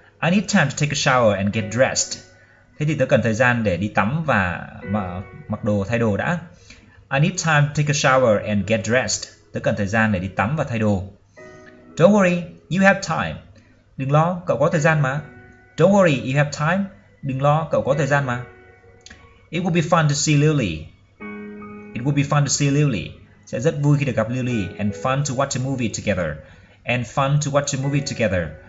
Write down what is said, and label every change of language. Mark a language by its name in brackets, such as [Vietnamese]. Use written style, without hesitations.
[English] I need time to take a shower and get dressed. [Vietnamese] Thế thì tôi cần thời gian để đi tắm và mặc đồ thay đồ đã. [English] I need time to take a shower and get dressed. [Vietnamese] Tớ cần thời gian để đi tắm và thay đồ. [English] Don't worry, you have time. [Vietnamese] Đừng lo, cậu có thời gian mà. [English] Don't worry, you have time. [Vietnamese] Đừng lo, cậu có thời gian mà. [English] It would be fun to see Lily. It would be fun to see Lily. [Vietnamese] Sẽ rất vui khi được gặp Lily. [English] And fun to watch a movie together. And fun to watch a movie together.